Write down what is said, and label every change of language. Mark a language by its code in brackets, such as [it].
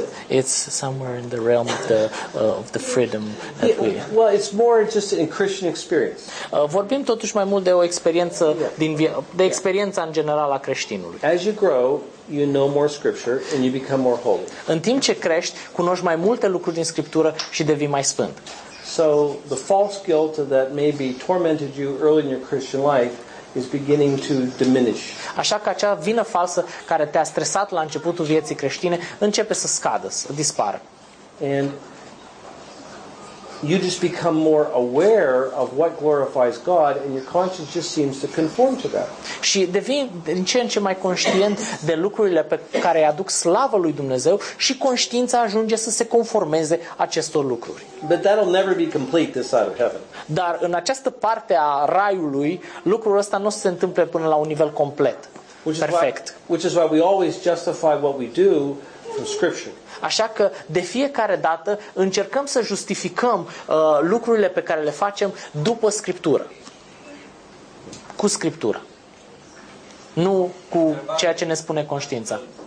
[en] It's somewhere in the realm of the freedom that we. Well, it's more just in Christian experience. [ro] Vorbim totuși mai mult de o experiență din de experiența în general a creștinului. [en] As you grow, you know more scripture and you become more holy. [ro] În timp ce crești, cunoști mai multe lucruri din Scriptură și devii mai sfânt. [en] So the false guilt that maybe tormented you early in your Christian life is beginning to diminish. [ro] Așa că acea vină falsă care te-a stresat la începutul vieții creștine începe să scadă, să dispară. [en] And you just become more aware of what glorifies God and your conscience just seems to conform to that. [ro] Și devii din ce în ce mai conștient de lucrurile pe care îi aduc slavă lui Dumnezeu și conștiința ajunge să se conformeze acestor lucruri. [en] But that'll never be complete this side of heaven. [ro] Dar în această parte a raiului, lucrul ăsta nu se întâmplă până la un nivel complet. [en] Perfect. Which is why we always justify what we do from scripture. [ro] Așa că de fiecare dată încercăm să justificăm lucrurile pe care le facem după Scriptură. Cu Scriptură. Nu cu ceea ce ne spune conștiința.